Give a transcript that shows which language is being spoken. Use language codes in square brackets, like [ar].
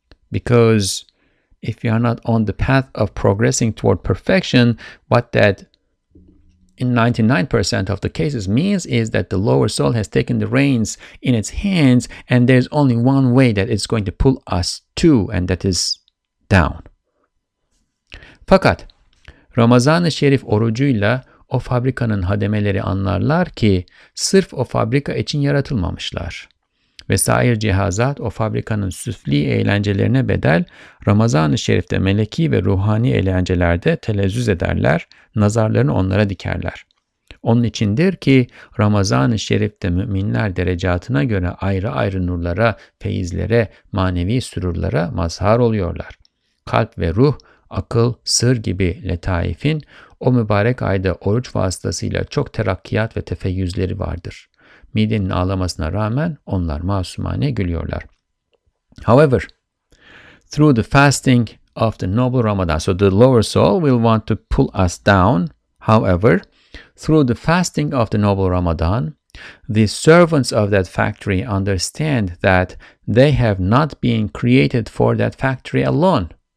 [en] Because if you are not on the path of progressing toward perfection, what that in 99% of the cases means is that the lower soul has taken the reins in its hands, and there's only one way that it's going to pull us to, and that is down. [tr] Fakat Ramazan-ı Şerif orucuyla o fabrikanın hademeleri anlarlar ki sırf o fabrika için yaratılmamışlar. Vesair cihazat o fabrikanın süfli eğlencelerine bedel, Ramazan-ı Şerif'te meleki ve ruhani eğlencelerde telezzüz ederler, nazarlarını onlara dikerler. Onun içindir ki Ramazan-ı Şerif'te müminler derecatına göre ayrı ayrı nurlara, feyizlere, manevi sürurlara mazhar oluyorlar. Kalp ve ruh, akıl, sır gibi letaifin o mübarek ayda oruç vasıtasıyla çok terakkiyat ve tefeyyüzleri vardır. Midenin ağlamasına rağmen onlar masumane gülüyorlar. [en] However, through the fasting of the noble Ramadan, so the lower soul will want to pull us down. However, through the fasting of the noble Ramadan, the servants of that factory understand that they have not been created for that factory alone.